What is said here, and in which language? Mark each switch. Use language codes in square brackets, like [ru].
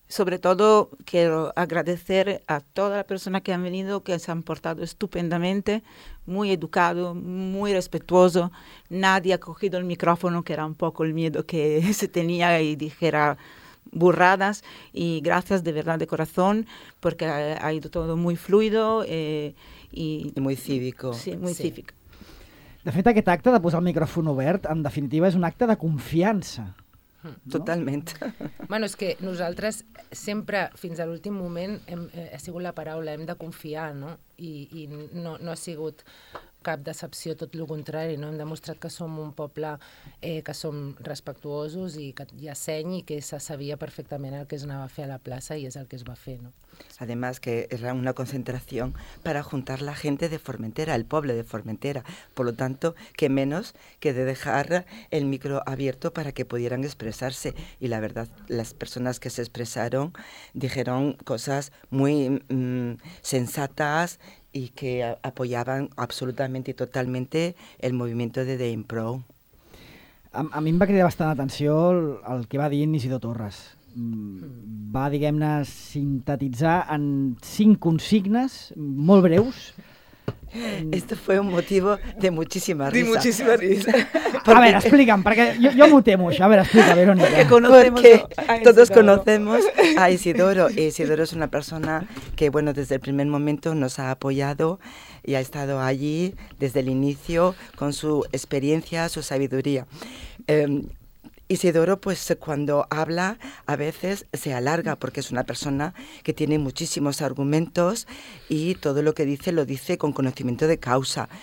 [es] Sobre todo quiero agradecer a todas las personas que han venido, que se han portado estupendamente, muy educado, muy respetuoso. Nadie ha cogido el micrófono, que era un poco el miedo que se tenía y dijera burradas. Y gracias de verdad de corazón, porque ha ido todo muy fluido. Y muy cívico. Sí, muy sí. cívico. [ca] De fet, aquest acte de posar el micròfon obert, en definitiva, és un acte de confiança. No? Totalment. Bueno, és que nosaltres sempre, fins a l'últim moment, ha sigut la paraula, hem de confiar, no? I no ha sigut cap decepció, tot el contrari, no? Hem demostrat que som un poble que som respectuosos i que hi ha seny i que se sabia perfectament el que es anava a fer a la plaça i és el que es va fer, no? [es] Además que era una concentración para juntar la gente de Formentera, el pueblo de Formentera. Por lo tanto, que menos que de dejar el micro abierto para que pudieran expresarse. Y la verdad, las personas que se expresaron dijeron cosas muy sensatas y que apoyaban absolutamente y totalmente el movimiento de The Improv. A mí me va a quedar bastante atención al que va a decir Isidro Torres. [ca] Va, diguem-ne, sintetitzar en cinc consignes molt breus. [es] Esto fue un motivo de muchísima risa. De muchísima risa. Porque... A ver, [ca] explica'm, perquè jo m'ho temo, això. [es] A ver, explica, [ca] Verónica. [es] Porque, todos conocemos a Isidoro. Y Isidoro es una persona que, bueno, desde el primer momento nos ha apoyado y ha estado allí desde el inicio con su experiencia, su sabiduría. Isidoro, pues cuando habla, a veces se alarga porque es una persona que tiene muchísimos argumentos y todo lo dice con conocimiento de causa.